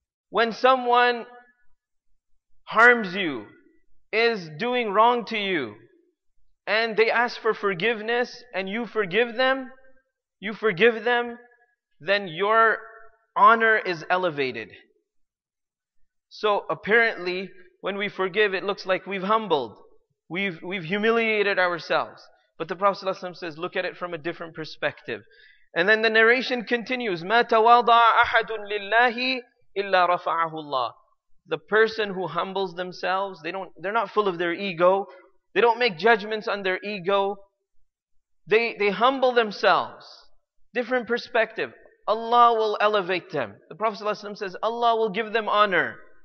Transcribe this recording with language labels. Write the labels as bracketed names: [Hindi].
[English] When someone harms you, is doing wrong to you, and they ask for forgiveness, and you forgive them, then your honor is elevated. So apparently, when we forgive, it looks like we've humbled. We've humiliated ourselves. But the Prophet ﷺ says, look at it from a different perspective. And then the narration continues, [Arabic] مَا تَوَاضَعَ أَحَدٌ لِلَّهِ إِلَّا رَفَعَهُ اللَّهِ. [English] The person who humbles themselves, they're not full of their ego. They don't make judgments on their ego. They humble themselves. Different perspective. Allah will elevate them. The Prophet ﷺ says, Allah will give them honor.